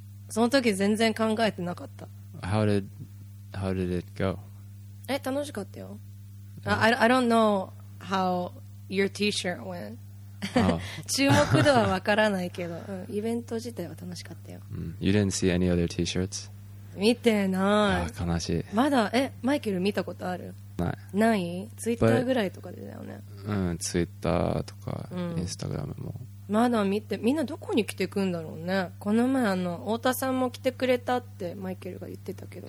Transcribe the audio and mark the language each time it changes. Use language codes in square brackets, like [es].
[ja] その時全然考えてなかった。 [en] How did it go? え、楽しかったよ。 I don't know howYour T-shirt went. [ja] ああ注目度は分からないけど、うん、イベント自体は楽しかったよ。 [en] うん、you didn't see any other T-shirts? [ja] 見てない。ああ、悲しい。まだ、え、マイケル見たことある？ない。ない？ツイッターぐらいとかでだよね。うん、ツイッターとか、うん、インスタグラムも。まだ見て、みんなどこに来てくんだろうね。この前あの太田さんも来てくれたってマイケルが言ってたけど。